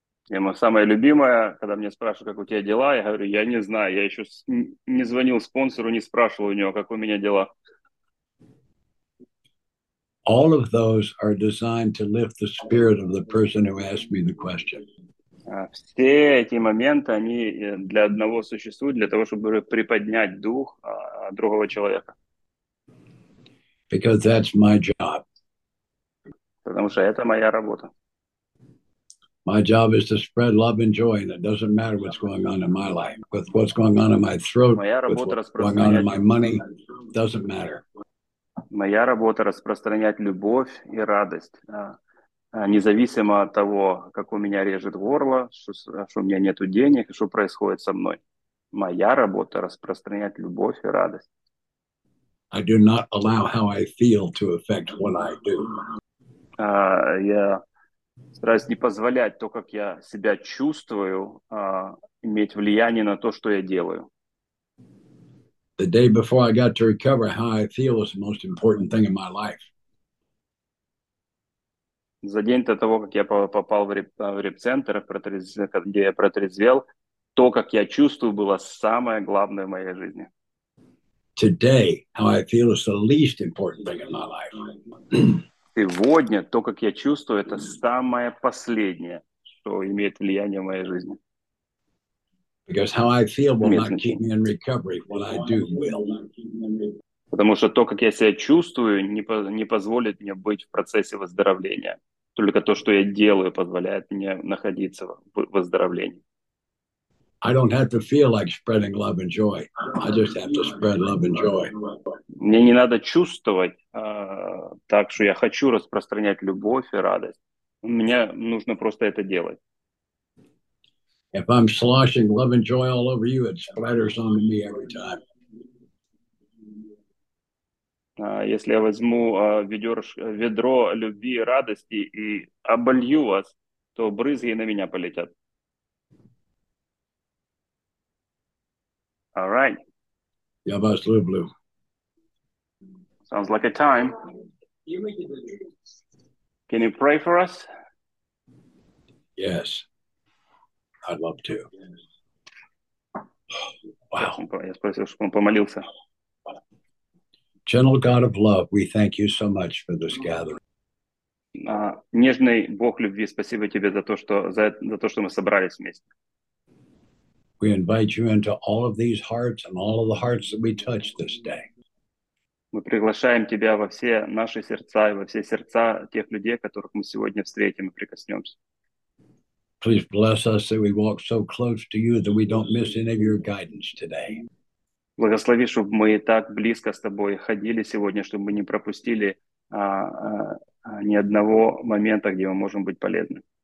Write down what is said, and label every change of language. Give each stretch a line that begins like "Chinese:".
Russian: И моя самая любимая, когда мне спрашивают, как у тебя дела, я говорю, я не знаю, я еще не звонил спонсору, не спрашивал у него, как у меня дела.
English: All of those are designed to lift the spirit of the person who asked me the question.
Russian: Все эти моменты, они для одного существуют, для того, чтобы приподнять дух другого человека.
English: Because that's my job.
Russian: Потому что это моя работа.
English: My job is to spread love and joy, and it doesn't matter what's going on in my life, with what's going on in my throat, with what's going on in my money, it doesn't matter.
Russian: Моя работа распространять любовь и радость независимо от того, как у меня режет горло, что у меня нет денег, что происходит со мной. Моя работа — распространять любовь и радость.
English: I do not allow how I feel to affect what I do.
Russian: Я стараюсь не позволять то, как я себя чувствую, иметь влияние на то, что я делаю.
English: The day before I got to recover, how I feel was the most important thing in my life.
Russian: За день до того, как я попал в реп-центр, где я протрезвел, то, как я чувствую, было самое главное в моей жизни.
English: Today, how I feel is the least important thing in my life.
Russian: Сегодня то, как я чувствую, это самое последнее, что имеет влияние в моей жизни.
English: Because how I feel will not keep me in recovery. What I do will.
Russian: Потому что то, как я себя чувствую, не позволит мне быть в процессе выздоровления. Только то, что я делаю, позволяет мне находиться в выздоровлении.
English: I don't have to feel like spreading love and joy. I just have to spread love and joy.
Russian: Мне не надо чувствовать так, что я хочу распространять любовь и радость. Мне нужно просто это делать.
English: If I'm sloshing love and joy all over you, it splatters onto me every time.
Russian: Если я возьму ведро любви и радости и оболью вас, то брызги на меня полетят.
English: All right.
Russian: Я вас люблю.
English: Sounds like a time. Can you pray for us? Yes. I'd love to.
Russian: Я спросил, чтобы он помолился.
English: Gentle God of love, we thank you so much for this gathering.
Russian: Нежный Бог любви, спасибо тебе за то, что мы собрались вместе.
English: We invite you into all of these hearts and all of the hearts that we touch this day.
Russian: Мы приглашаем тебя во все наши сердца и во все сердца тех людей, которых мы сегодня встретим и прикоснемся.
English: Please bless us that we walk so close to you that we don't miss any of your guidance today.
Russian: Благослови, чтобы мы так близко с тобой ходили сегодня, чтобы мы не пропустили ни одного момента, где мы можем быть полезны.